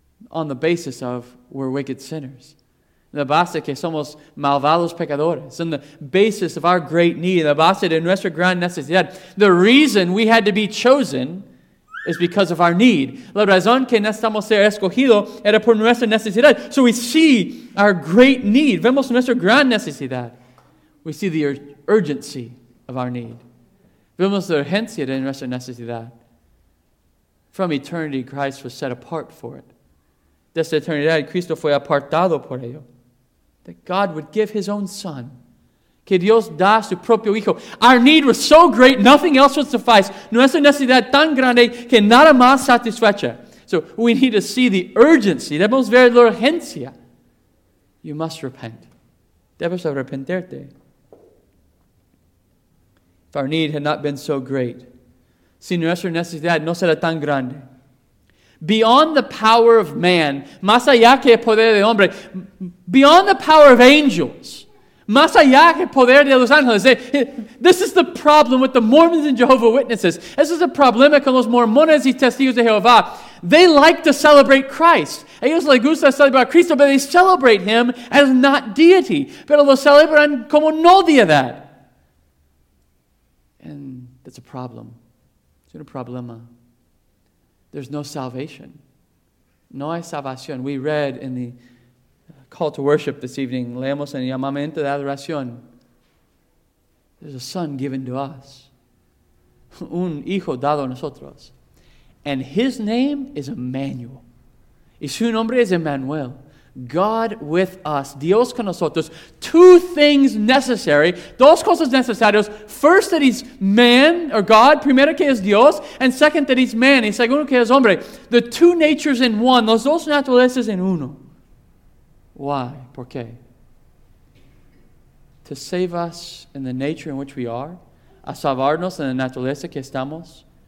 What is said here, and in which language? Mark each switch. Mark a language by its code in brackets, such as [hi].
[en] On the basis of we're wicked sinners. [es] La base que somos malvados pecadores. [en] And the basis of our great need. [es] La base de nuestra gran necesidad. [en] The reason we had to be chosen is because of our need. [es] La razón que necesitamos ser escogido era por nuestra necesidad. [en] So we see our great need. [es] Vemos nuestra gran necesidad. [en] We see the urgency of our need. [es] Vemos la urgencia de nuestra necesidad. [en] From eternity, Christ was set apart for it. [es] Desde eternidad, Cristo fue apartado por ello. [en] That God would give his own son. [es] Que Dios da su propio hijo. [en] Our need was so great, nothing else would suffice. [es] Nuestra necesidad tan grande que nada más satisfecha. [en] So we need to see the urgency. [es] Debemos ver la urgencia. [en] You must repent. [es] Debes arrepentirte. [en] If our need had not been so great, [es] si nuestra necesidad no será tan grande, [en] beyond the power of man, [es] más allá que el poder del hombre, [en] beyond the power of angels, [es] más allá que el poder de los ángeles. [en] This is the problem with the Mormons and Jehovah Witnesses. This is a problema [es] con los mormones y testigos de Jehová. [en] They like to celebrate Christ. [es] Ellos les gusta celebrar a Cristo, [en] but they celebrate him as not deity. [es] Pero lo celebran como no deidad. [en] And that's a problem. It's a problema. There's no salvation. [es] No hay salvación. [en] We read in the call to worship this evening. [es] Leemos en el llamamiento de adoración. [en] There's a son given to us. [es] Un hijo dado a nosotros. [en] And his name is Emmanuel. [es] Y su nombre es Emmanuel. [en] God with us. [es] Dios con nosotros. [en] Two things necessary. [es] Dos cosas necesarias. [en] First, that he's man or God. [es] Primero, que es Dios. [en] And second, that he's man. [es] Y segundo, que es hombre. [en] The two natures in one. [es] Los dos naturalezas en uno. Why? ¿Por qué? [en] To save us in the nature in which we are. [es] A salvarnos en la naturaleza que estamos.